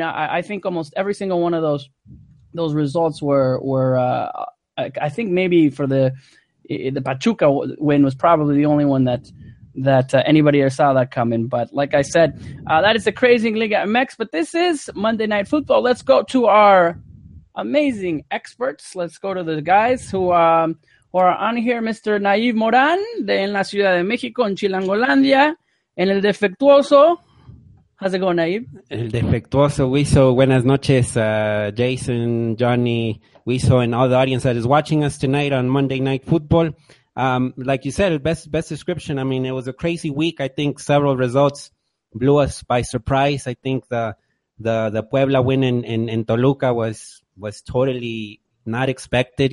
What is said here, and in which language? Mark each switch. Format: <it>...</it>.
<en>I think almost every single one of those results were I think maybe for the Pachuca win was probably the only one that anybody ever saw that coming. But like I said, that is the crazy Liga MX. But this is Monday Night Football. Let's go to our amazing experts. Let's go to the guys who are on here. Mr.</en> <es>Naiv Moran, de en la Ciudad de México, en Chilangolandia, en el Defectuoso.</es> <en>How's it going, Naiv?</en> <es>El Defectuoso, Wiso. Buenas noches,</es> <en>Jason, Johnny, Wiso, and all the audience that is watching us tonight on Monday Night Football. Like you said, best description. I mean, it was a crazy week. I think several results blew us by surprise. I think the Puebla win in Toluca was totally not expected.</en>